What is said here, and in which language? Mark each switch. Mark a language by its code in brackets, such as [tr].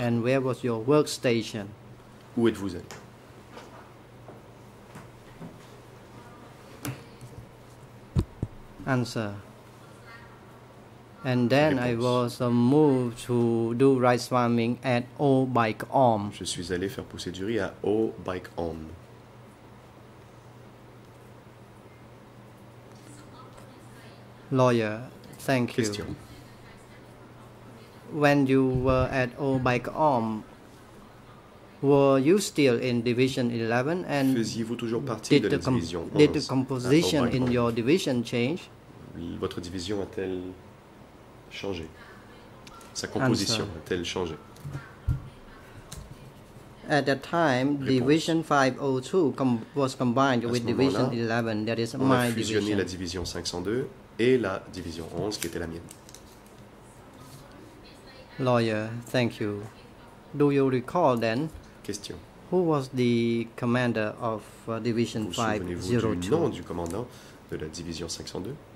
[en] and where was your workstation? [fr] Où êtes-vous allé? [en] Answer. And then I was moved to do rice farming at Obaikom. [fr] Je suis allé faire pousser du riz à Obaikom. [en] Lawyer, thank you. Question. When you were at Obaikom, were you still in Division 11 and [fr] faisiez-vous toujours partie de la division 11? [en] Did the composition in your division change? [fr] Votre division a-t-elle changé? Sa composition a-t-elle changé? [en] At that time, [fr] réponse. [en] Division 502 was combined with Division 11, that is my division. [fr] On a fusionné la division 502 et la division 11 qui était la mienne. [en] Lawyer, thank you. Do you recall then? Question. Who was the commander of Division 502? [fr] Vous souvenez-vous du nom du commandant de la division 502?